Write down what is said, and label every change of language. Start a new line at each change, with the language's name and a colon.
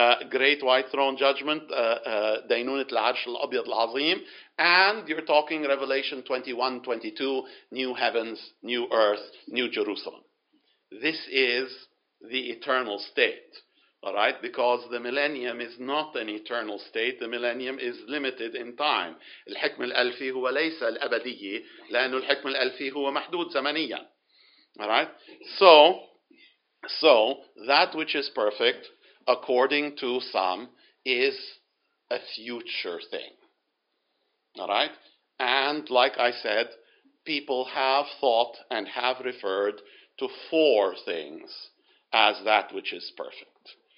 English: Great white throne judgment,
Arabic: Dainunat al-Arsh al-Abyad al-Azim,
English: and you're talking Revelation 21, 22, new heavens, new earth, new Jerusalem. This is the eternal state, all right? Because the millennium is not an eternal state. The millennium is limited in time.
Arabic: الحكم الألفي هو ليس الأبدي لأن الحكم الألفي هو محدود زمنيا.
English: All right? So that which is perfect, according to some, is a future thing. All right? And like I said, people have thought and have referred to four things as that which is perfect.